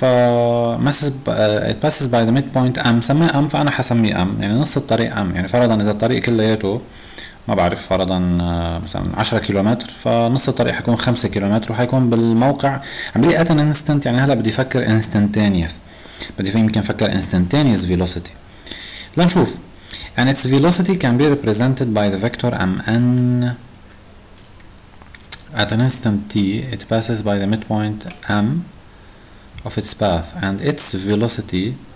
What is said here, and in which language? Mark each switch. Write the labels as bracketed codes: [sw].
[ar] ف [en] it passes by the midpoint m، [ar] سمي m، فانا حسمي m يعني نص الطريق m. يعني فرضا اذا الطريق كلياته ما بعرف فرضا مثلا 10 كيلومتر، فنص الطريق حيكون 5 كيلومتر وحيكون بالموقع. عم بيقول [en] at an instant، [ar] يعني هلا بدي افكر instantaneous، بدي فهم يمكن افكر instantaneous velocity. [en] لنشوف and its velocity can be represented by the vector mn at an instant t it passes by the midpoint m of its path and its velocity.